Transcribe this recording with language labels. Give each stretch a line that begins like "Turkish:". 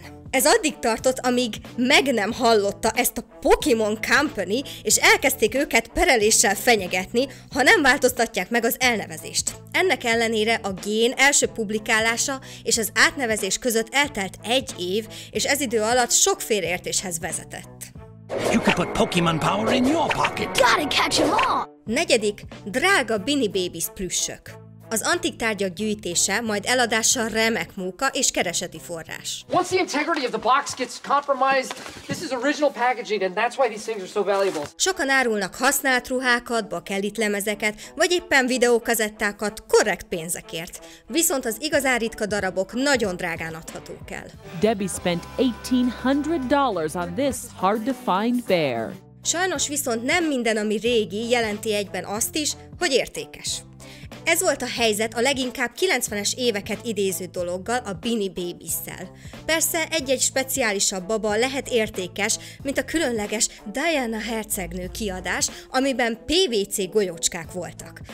Hungarian: Ez addig tartott, amíg meg nem hallotta ezt a Pokémon Company, és elkezdték őket pereléssel fenyegetni, ha nem változtatják meg az elnevezést. Ennek ellenére a gén első publikálása és az átnevezés között eltelt egy év, és ez idő alatt sok félreértéshez vezetett.
English: You can put Pokémon power in your pocket. Gotta catch 'em all.
Hungarian: Negyedik, drága Beanie Babies plüssök. Az antik tárgyak gyűjtése, majd eladása remek móka és kereseti forrás.
English: Once the integrity of the box gets compromised, this is original packaging and that's why these things are so valuable.
Hungarian: Sokan árulnak használt ruhákat, bakelit lemezeket, vagy éppen videókazettákat korrekt pénzekért. Viszont az igazán ritka darabok nagyon drágán adhatók el.
English: Debbie spent $1,800 on this hard to find bear.
Hungarian: Sajnos viszont nem minden, ami régi, jelenti egyben azt is, hogy értékes. Ez volt a helyzet a leginkább 90-es éveket idéző dologgal, a Beanie Babies-szel. Persze egy-egy speciálisabb baba lehet értékes, mint a különleges Diana hercegnő kiadás, amiben PVC golyócskák voltak.